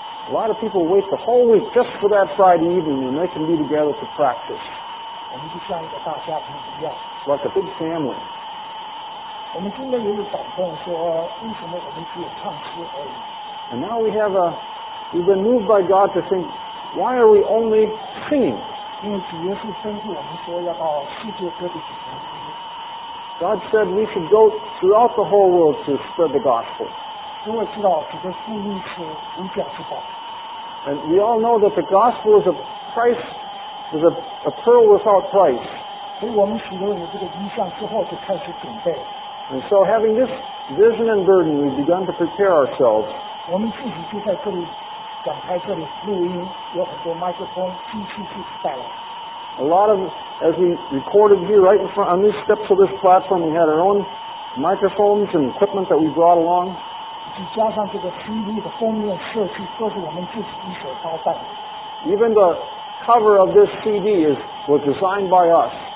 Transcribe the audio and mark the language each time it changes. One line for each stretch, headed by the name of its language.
English: A lot of people wait the whole week just for that Friday evening when they can be together to practice.
Chinese: 我们就像一个大家庭一样
English: ，like a big family。
Chinese: 我们今天也有感动，说为什么我们只有唱诗而已
English: ？And now we have we've been moved by God to think, why are we only singing？
Chinese: 因为主耶稣吩咐我们说要到世界各地去传福音。
English: God said we should go throughout the whole world to spread the gospel。
Chinese: 因为知道这个福音是无价之宝。
English: And we all know that the gospel is of Christ. Is a pearl without price.
Chinese: 所以我们许多人有这个意向之后，就开始准备。
English: And so, having this vision and burden, we began to prepare ourselves.
Chinese: 我们自己就在这里展开这里录音，有很多麦克风、机器自己带来。
English: A lot of, as we recorded here, right in front on these steps of this platform, we had our own microphones and equipment that we brought along.
Chinese: 加上这个 CD 的封面设计，都是我们自己一手操办。
English: Even the cover of this CD was designed by us.